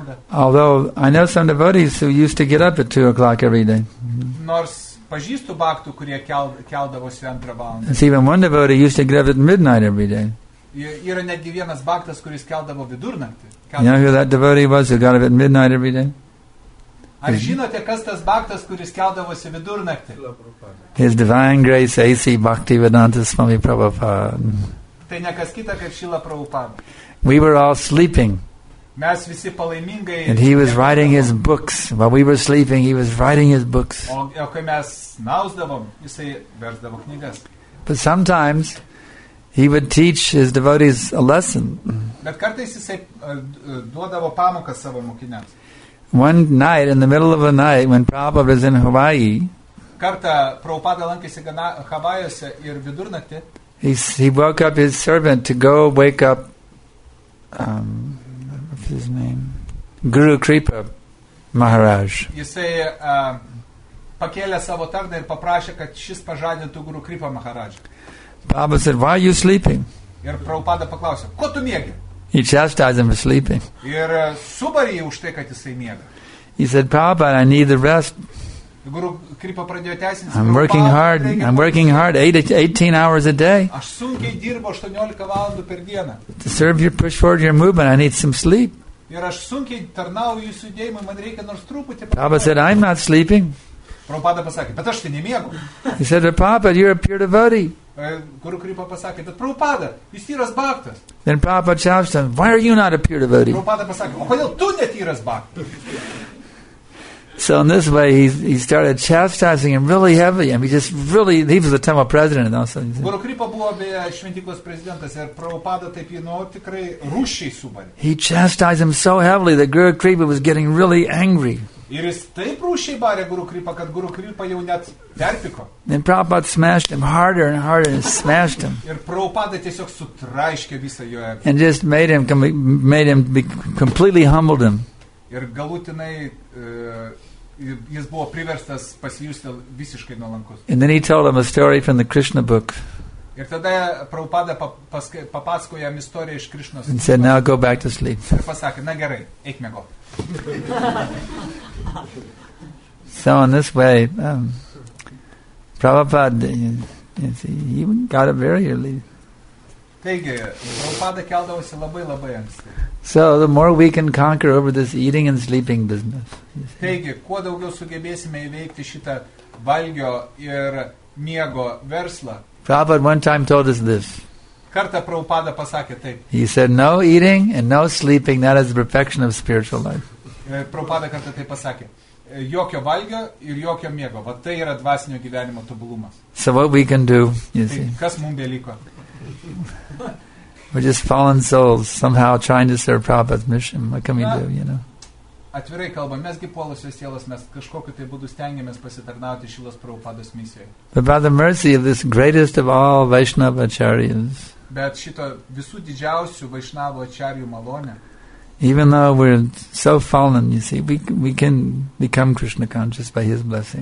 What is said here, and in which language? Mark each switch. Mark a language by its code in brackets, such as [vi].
[en] Although I know some devotees who used to get up at 2 o'clock every day. [lt] Pažįstu baktų, kurie keldavosi antrą valandą. [en] It's even one devotee used to get up at midnight every day. [lt] Yra netgi vienas baktas, kuris keldavo vidurnaktį. [en] You know who that devotee was who got up at midnight every day? [lt] Ar žinote, kas tas baktas, kuris keldavosi vidurnaktį? [en] His divine grace, A.C. Bhaktivedanta Swami Prabhupada. [lt] Tai ne kas kita, kaip Šila Prabhupada. [en] We were all sleeping. [lt] Mes visi palaimingai [en] and he was writing his books. While we were sleeping, he was writing his books. [lt] O kai mes snausdavom, jisai versdavo knygas. [en] But sometimes he would teach his devotees a lesson. [lt] Bet kartais jisai duodavo pamokas savo mokiniams. [en] One night, in the middle of the night, when Prabhupada was in Hawaii, [lt] kartą Prabhupada lankėsi Havajuose ir vidurnaktį, [en] he woke up his servant to go wake up his name Guru Kripa Maharaj. [lt] Jisai pakėlė savo tarną ir paprašė, kad šis pažadintų Guru Kripa Maharaj. [en] Prabhupada said, why are you sleeping? [lt] Ir Prabhupada paklausė, ko tu miegi? [en] He chastised him for sleeping. [lt] Ir subarė jį už tai, kad jisai miega. [en] He said, Prabhupada, I need the rest. [lt] Guru Kripa pradėjo teisinti. [en] I'm working hard 18 hours a day. [lt] Aš sunkiai dirbu 18 valandų per dieną. [en] To serve your push forward your movement, I need some sleep. [lt] Ir aš sunkiai tarnau jūsų judėjimui, man reikia nors truputį. [en] Prabhupada said, I'm not sleeping. [lt] Prabhupada pasakė, bet aš tai nemiegu. [en] He said, Prabhupada, you're a pure devotee. [lt] Guru Kripa pasakė, bet Prabhupada, jūs tyras baktas. [en] Then Prabhupada challenged him, why are you not a pure devotee? [lt] Prabhupada pasakė, o kodėl tu netyras baktas? [en] So in this way, he started chastising him really heavily. I mean, just really, he was the temple president. Also. [lt] Guru Kripa buvo be šventyklos prezidentas, ir Prabhupada taip jį nuo tikrai rūšiai subarė. [en] He chastised him so heavily that Guru Kripa was getting really angry. [lt] Ir jis taip rūšiai barė Guru Kripa, kad Guru Kripa jau net perpiko. [en] Then Prabhupada smashed him harder and harder and smashed him. [lt] Ir Prabhupada tiesiog sutraiškė visą jo. [en] And just made him be completely humbled him. [lt] Ir galutinai jis buvo priverstas pasijusti visiškai nuolankus. [en] And then he told him a story from the Krishna book. [lt] Ir tada Prabhupada papasakojo jam istoriją iš Krishnos. [en] And said, now go back to sleep. [lt] Ir pasakė, na gerai, eik miego. [en] So in this way, Prabhupada, he got up very early. [lt] Taigi, Prabhupada keldavosi labai, labai anksti. [en] So the more we can conquer over this eating and sleeping business. [lt] Taigi, kuo daugiau sugebėsime įveikti šitą valgio ir miego verslą. [en] Prabhupada one time told us this. [lt] Kartą Prabhupada pasakė taip. [en] He said, no eating and no sleeping, that is the perfection of spiritual life. [lt] Prabhupada kartą taip pasakė. Jokio valgio ir jokio miego. Va tai yra dvasinio gyvenimo tobulumas. [en] So what we can do, you see. [lt] Kas mum beliko? [en] We're just fallen souls, somehow trying to serve Prabhupada's mission. What can we do, you know? [lt] Atvirai kalba, mes gi puolusios sielos, mes kažkokiu tai būdu stengiamės pasitarnauti Šilos Prabhupados misijoje. [en] But by the mercy of this greatest of all Vaishnava acharyas. [lt] Bet šito visų didžiausių Vaishnava acharyų malonė. [en] Even though we're so fallen, you see, we can become Krishna conscious by his blessing.